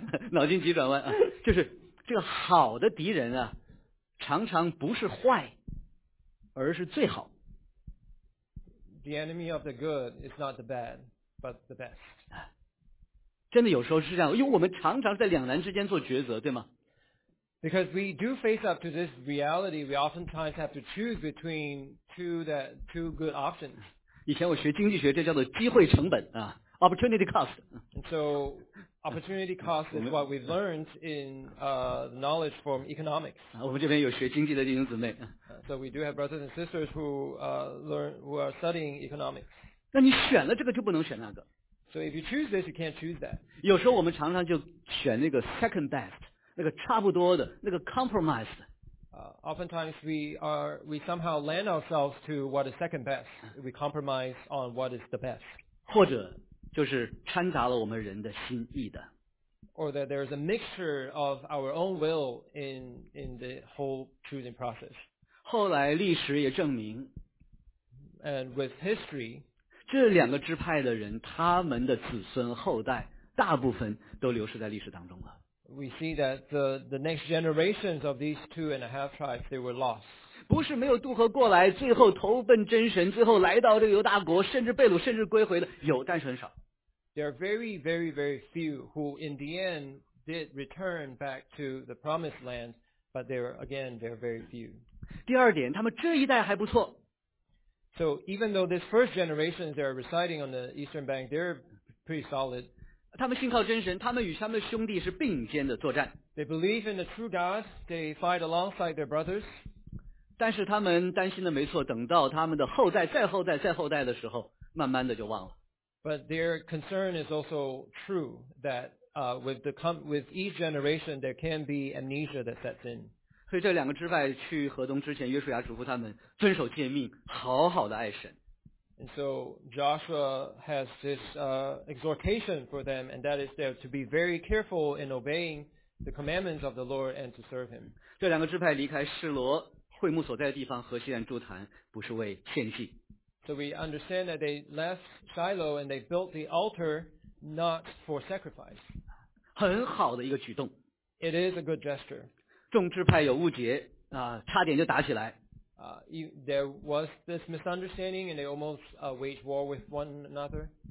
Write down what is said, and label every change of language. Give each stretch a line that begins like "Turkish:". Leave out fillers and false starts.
Chinese: 脑筋急转弯啊，就是这个好的敌人啊，常常不是坏，而是最好。
English: The enemy of the good is not the bad, but the best.
Chinese: 真的有时候是这样，因为我们常常在两难之间做抉择，对吗？
English: Because we do face up to this reality, we oftentimes have to choose between two good options.
Chinese: 以前我学经济学，这叫做机会成本啊 ，
English: opportunity cost. And so, opportunity cost is what we learned in knowledge from economics.
Chinese: 我们这边有学经济的弟兄姊妹。
English: So we do have brothers and sisters who are studying economics.
Chinese: 那你选了这个就不能选那个。
English: So if you choose this, you can't choose that.
Chinese: 有时候我们常常就选那个
English: second best.
Chinese: 那个差不多的，那个 compromise 的。
English: Oftentimes we somehow land ourselves to what is second best. We compromise on what is the best.
Chinese: 或者就是掺杂了我们人的心意的。
English: Or that there is a mixture of our own will in the whole choosing process.
Chinese: 后来历史也证明。
English: And with history,
Chinese: 这两个支派的人，他们的子孙后代大部分都流失在历史当中了。
English: We see that the next generations of these two and a half tribes, they were lost.
Chinese: 不是没有渡河过来，最后投奔真神，最后来到这个犹大国，甚至被掳，甚至归回的，有，但是很少。
English: There are very, very, very few who in the end did return back to the promised land, but they're very few.
Chinese: 第二点，他们这一代还不错。
English: So even though this first generation, they're residing on the eastern bank, they're pretty solid.
Chinese: 他们信靠真神，他们与他们兄弟是并肩的作战。
English: They believe in the true God. They fight alongside their brothers.
Chinese: 但是他们担心的没错，等到他们的后代、再后代、再后代的时候，慢慢的就忘了。
English: But their concern is also true that with each generation there can be amnesia that sets in.
Chinese: 所以这两个支派去河东之前，约书亚嘱咐他们遵守诫命，好好的爱神。
English: And so Joshua has this exhortation for them, and that is there to be very careful in obeying the commandments of the Lord and to serve Him.
Chinese: 这两个支派离开示罗会幕所在的地方和西安筑坛，不是为献祭。
English: So we understand that they left Shiloh and they built the altar not for sacrifice.
Chinese: 很好的一个举动。
English: It is a good gesture.
Chinese: 众支派有误解啊，差点就打起来。
English: There was this misunderstanding and they almost waged war with one another.